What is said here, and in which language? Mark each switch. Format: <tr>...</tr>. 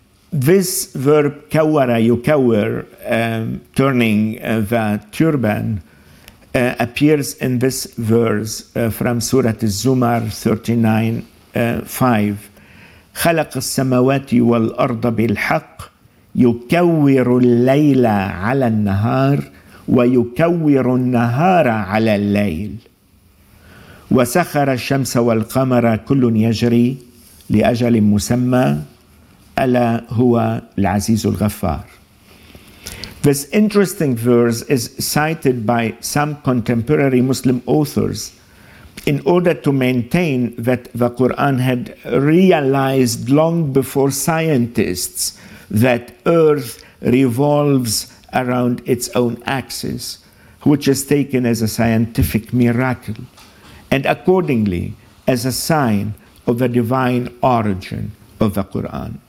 <en>This verb, kawara, yukawir, turning the turban, appears in this verse from Surah Az-Zumar 39:5.</en> <ar>خلق السماوات والأرض بالحق يكور الليل على النهار ويكور النهار على الليل وسخر الشمس والقمر كل يجري لأجل مسمى ألا هو العزيز الغفار.</ar> <en>This interesting verse is cited by some contemporary Muslim authors in order to maintain that the Quran had realized long before scientists that Earth revolves around its own axis, which is taken as a scientific miracle, and accordingly as a sign of the divine origin of the Quran.</en>